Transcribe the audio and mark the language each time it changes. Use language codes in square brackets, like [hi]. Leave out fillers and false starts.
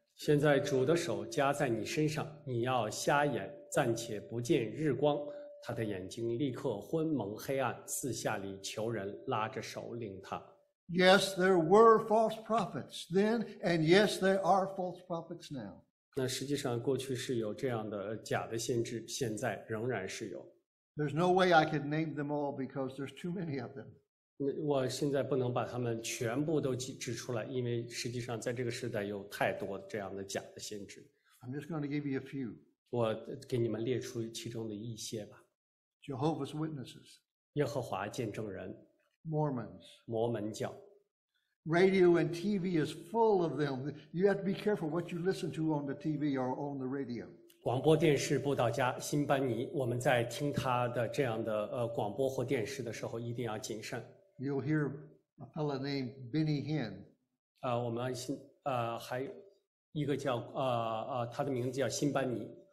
[zh] 现在主的手加在你身上，你要瞎眼，暂且不见日光。他的眼睛立刻昏蒙黑暗，四下里求人拉着手领他。 [en] Yes, there were false prophets then, and yes, there are false prophets now. [zh] 那实际上过去是有这样的假的先知，现在仍然是有。 [en] There's no way I could name them all because there's too many of them. [zh] 我现在不能把他们全部都指出来，因为实际上在这个时代有太多这样的假的先知。 [en] I'm just going to give you a few. [zh] 我给你们列出其中的一些吧。 [en] Jehovah's Witnesses, [zh] 耶和华见证人 [en] Mormons, [zh] 摩门教 [en] Radio and TV is full of them. You have to be careful what you listen to on the TV or on the radio. [zh] 广播电视布道家辛班尼，我们在听他的这样的广播或电视的时候，一定要谨慎。 [en] You'll hear a fellow named Benny Hinn. [zh] 我们还一个叫他的名字叫辛班尼。